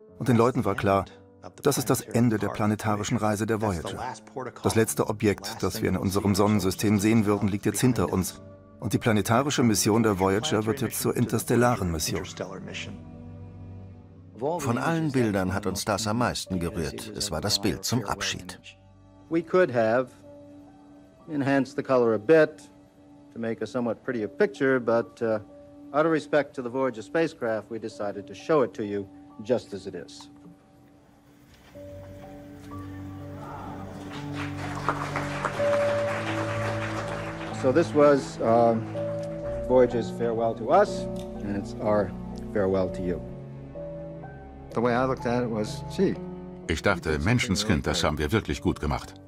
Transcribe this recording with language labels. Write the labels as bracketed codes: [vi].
[de] Und den Leuten war klar, das ist das Ende der planetarischen Reise der Voyager. Das letzte Objekt, das wir in unserem Sonnensystem sehen würden, liegt jetzt hinter uns. Und die planetarische Mission der Voyager wird jetzt zur interstellaren Mission. Von allen Bildern hat uns das am meisten gerührt. Es war das Bild zum Abschied. [en] We could have enhanced the color a bit to make a somewhat prettier picture, but out of respect to the Voyager spacecraft, we decided to show it to you just as it is. So this was Voyager's farewell to us, and it's our farewell to you. The way I looked at it was, gee. [de] Ich dachte, Menschenskind, das haben wir wirklich gut gemacht.